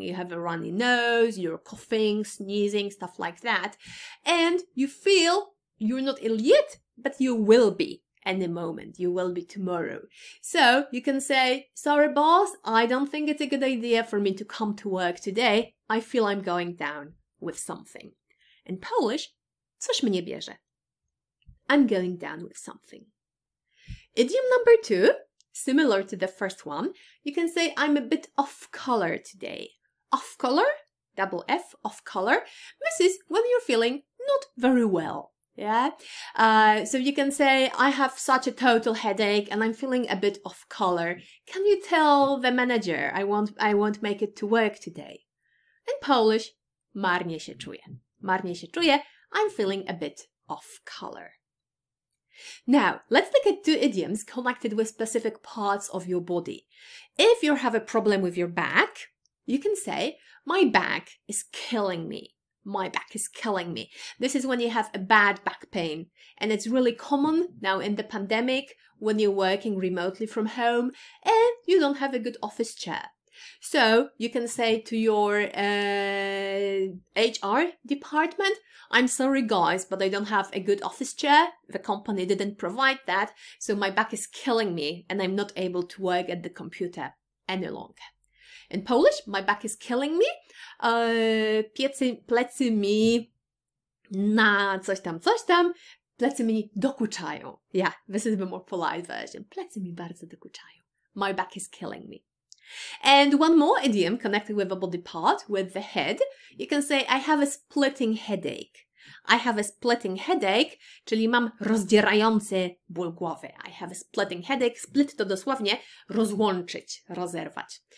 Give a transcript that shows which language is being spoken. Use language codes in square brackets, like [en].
[en] You have a runny nose, you're coughing, sneezing, stuff like that. And you feel you're not ill yet, but you will be. Any moment, you will be tomorrow. So you can say, sorry boss, I don't think it's a good idea for me to come to work today. I feel I'm going down with something. In Polish, [pl] coś mnie bierze. [en] I'm going down with something. Idiom number 2, similar to the first one, you can say, I'm a bit off color today. Off color, double F, off color. This is when you're feeling not very well. Yeah, so you can say, I have such a total headache and I'm feeling a bit off color. Can you tell the manager I won't make it to work today? In Polish, [pl] marnie się czuję. Marnie się czuję, [en] I'm feeling a bit off color. Now, let's look at 2 idioms connected with specific parts of your body. If you have a problem with your back, you can say, my back is killing me. My back is killing me. This is when you have a bad back pain. And it's really common now in the pandemic when you're working remotely from home and you don't have a good office chair. So you can say to your HR department, I'm sorry guys, but I don't have a good office chair. The company didn't provide that. So my back is killing me and I'm not able to work at the computer any longer. In Polish, my back is killing me. [pl] Plecy mi na coś tam, plecy mi dokuczają. [en] Yeah, this is the more polite version. [pl] Plecy mi bardzo dokuczają. [en] My back is killing me. And one more idiom connected with the body part, with the head. You can say, I have a splitting headache. I have a splitting headache, [pl] czyli mam rozdzierający ból głowy. [en] I have a splitting headache. Split [pl] to dosłownie rozłączyć, rozerwać.